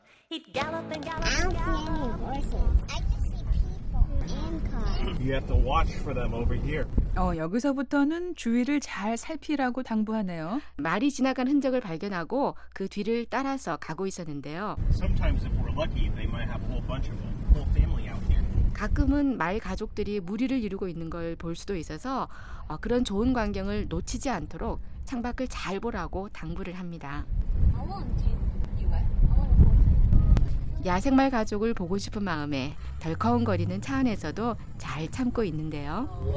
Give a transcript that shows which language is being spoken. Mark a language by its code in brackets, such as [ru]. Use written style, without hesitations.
[en] He'd gallop and gallop and gallop. I don't see any horses. You have to watch for them over here. [ko] 여기서부터는 주위를 잘 살피라고 당부하네요. 말이 지나간 흔적을 발견하고 그 뒤를 따라서 가고 있었는데요. [en] Sometimes if we're lucky, they might have a whole bunch of them, whole family out here. [ko] 가끔은 말 가족들이 무리를 이루고 있는 걸 볼 수도 있어서 그런 좋은 광경을 놓치지 않도록 창밖을 잘 보라고 당부를 합니다. 야생말 가족을 보고 싶은 마음에 덜컹거리는 차 안에서도 잘 참고 있는데요.